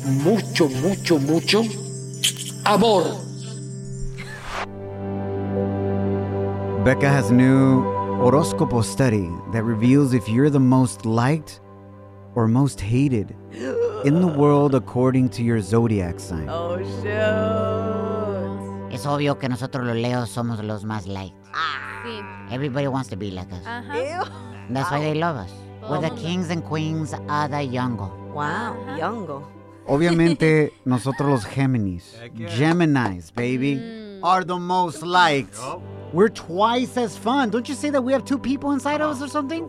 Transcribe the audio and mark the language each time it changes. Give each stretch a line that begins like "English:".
Spanish: Mucho, mucho, mucho amor.
English: Becca has a new horoscopo study that reveals if you're the most liked or most hated in the world according to your zodiac sign. Oh, shoot.
Spanish: Es obvio que nosotros los Leos somos los más
English: liked. Ah. Everybody wants to be like us. Uh-huh. That's why they love us. Well, we're the kings and queens of the jungle. Wow, uh-huh. Jungle.
Spanish: Obviamente, nosotros los Géminis, Geminis,
English: baby, are the most liked. Yep. We're twice as fun. Don't you say that we have two people inside of us or something?